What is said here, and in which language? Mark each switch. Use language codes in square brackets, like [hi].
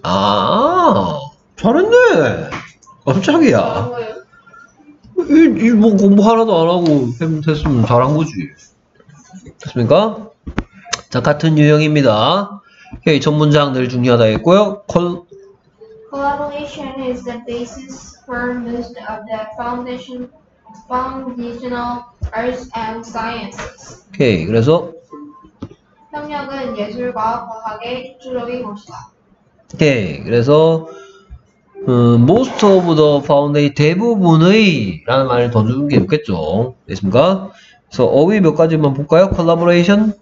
[ko] 아, 잘했네. 깜짝이야. 이 뭐 공부 하나도 안 하고 했으면 잘한 거지. 됐습니까? 자, 같은 유형입니다. 오케이, 첫 문장 늘 중요하다 했고요. [en] Collaboration is the basis for most of the foundational arts and sciences. [ko] 오케이, 그래서 협력은 예술과 과학의 주력인 것이다. 오케이, 그래서 [en] most of the foundation, [ko] 대부분의 라는 말을 더 주는 게 좋겠죠. 됐습니까? 그래서 어휘 몇 가지만 볼까요? collaboration,